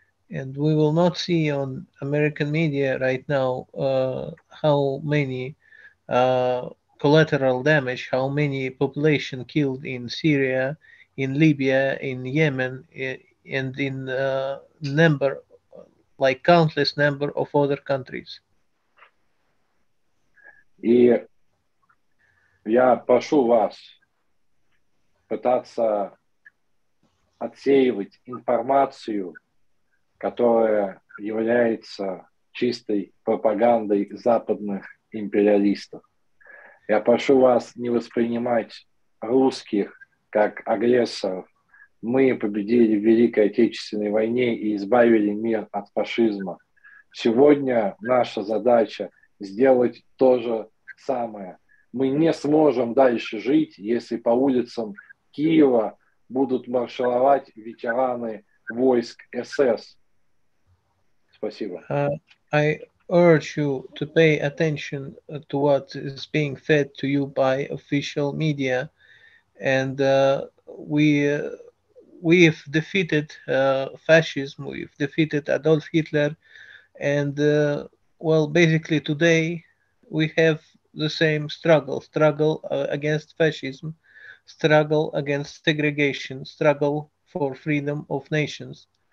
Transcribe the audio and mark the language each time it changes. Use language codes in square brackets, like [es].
[en] And we will not see on American media right now how many collateral damage, how many population killed in Syria, in Libya, in Yemen, and in number, like countless number of other countries. [ru] И я прошу вас пытаться отсеивать информацию, которая является чистой пропагандой западных империалистов. Я прошу вас не воспринимать русских как агрессоров. Мы победили в Великой Отечественной войне и избавили мир от фашизма. Сегодня наша задача сделать то же самое. Мы не сможем дальше жить, если по улицам Киева будут маршировать ветераны войск СС. Спасибо. [en] Urge you to pay attention to what is being fed to you by official media, and we've defeated fascism, we've defeated Adolf Hitler, and well, basically today we have the same struggle against fascism, struggle against segregation, struggle for freedom of nations.